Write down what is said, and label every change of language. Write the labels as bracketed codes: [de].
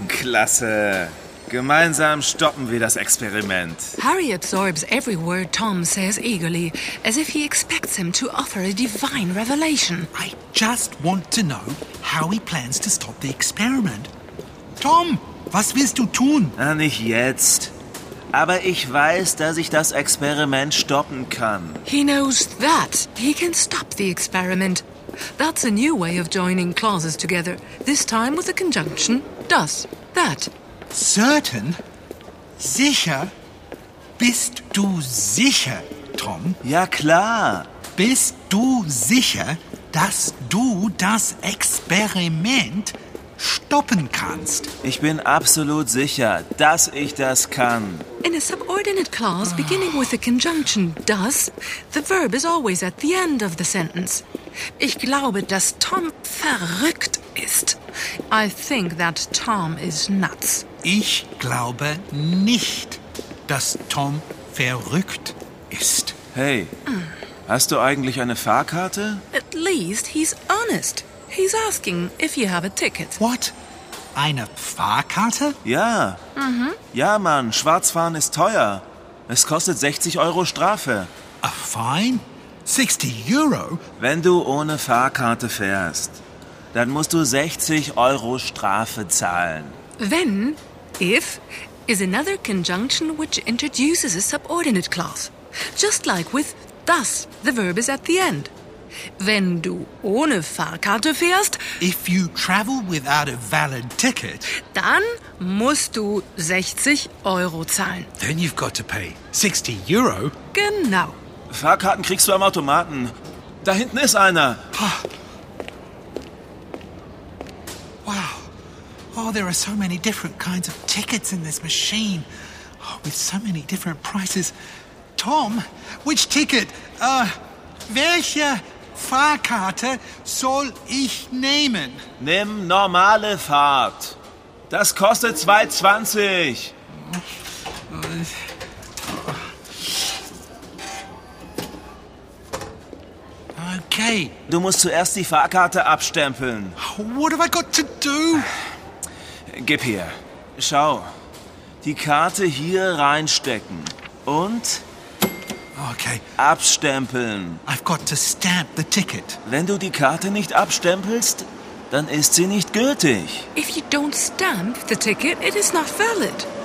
[de] Klasse. Gemeinsam stoppen wir das Experiment. [en] Harry absorbs every word Tom says eagerly, as if he expects him to offer a divine revelation. I just want to know how he plans to stop the experiment. [de] Tom, was willst du tun? Na, nicht jetzt. Aber ich weiß, dass ich das Experiment stoppen kann. [en] He knows that he can stop the experiment. That's a new way of joining clauses together. This time with the conjunction does that. [de] Certain? Sicher? Bist du sicher, Tom? Ja, klar. Bist du sicher, dass du das Experiment stoppen kannst? Ich bin absolut sicher, dass ich das kann. [en] In a subordinate clause beginning with the conjunction does, the verb is always at the end of the sentence. [de] Ich glaube, dass Tom verrückt ist. [en] I think that Tom is nuts. [de] Ich glaube nicht, dass Tom verrückt ist. Hey, hast du eigentlich eine Fahrkarte? [en] At least he's honest. He's asking if you have a ticket. [de] What? Eine Fahrkarte? Ja. Mhm. Ja, Mann, Schwarzfahren ist teuer. Es kostet 60 Euro Strafe. [en] A fine? 60 Euro? [de] Wenn du ohne Fahrkarte fährst, dann musst du 60 Euro Strafe zahlen. [en] Wenn, if, is another conjunction which introduces a subordinate clause. Just like with das, the verb is at the end. [de] Wenn du ohne Fahrkarte fährst, [en] if you travel without a valid ticket, [de] dann musst du 60 Euro zahlen. [en] Then you've got to pay 60 Euro. [de] Genau. Fahrkarten kriegst du am Automaten. Da hinten ist einer. [en] Oh, there are so many different kinds of tickets in this machine. Oh, with so many different prices. Tom, which ticket? [de] Welche Fahrkarte soll ich nehmen? Nimm normale Fahrt. Das kostet 2,20. Okay. Du musst zuerst die Fahrkarte abstempeln. [en] What have I got to do? [de] Gib her. Schau. Die Karte hier reinstecken. Und? Okay. Abstempeln. [en] I've got to stamp the ticket. [de] Wenn du die Karte nicht abstempelst, dann ist sie nicht gültig. [en] If you don't stamp the ticket, it is not valid.